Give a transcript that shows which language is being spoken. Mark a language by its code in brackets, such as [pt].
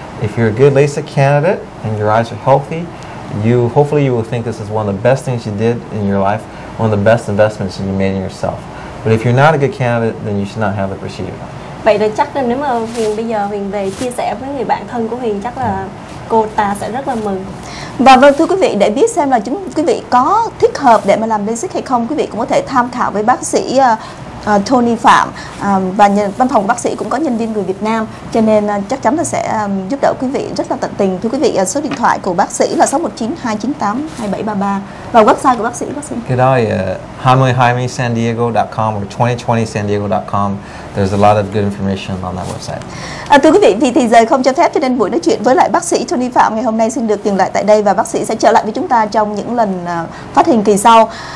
[en] If you're a good Lasik candidate and your eyes are healthy, hopefully you will think this is one of the best things you did in your life, one of the best investments you made in yourself. But if you're not a good candidate, then you should not have the procedure. [vi] Vậy là chắc là nếu mà Huyền bây giờ Huyền về chia sẻ với người bạn thân của Huyền, chắc là cô ta sẽ rất là mừng. Và vâng thưa quý vị, để biết xem là chúng quý vị có thích hợp để mà làm Lasik hay không, quý vị cũng có thể tham khảo với bác sĩ Tony Phạm, và văn phòng của bác sĩ cũng có nhân viên người Việt Nam, cho nên chắc chắn là sẽ giúp đỡ quý vị rất là tận tình. Thưa quý vị, số điện thoại của bác sĩ là 619-298-2733 và website của bác sĩ. Cái đó là 2020sandiego.com or 2020sandiego.com. [en] There's a lot of good information on that website. [vi] Thưa quý vị, vì thì giờ không cho phép, cho nên buổi nói chuyện với lại bác sĩ Tony Phạm ngày hôm nay xin được dừng lại tại đây, và bác sĩ sẽ trở lại với chúng ta trong những lần phát hình kỳ sau.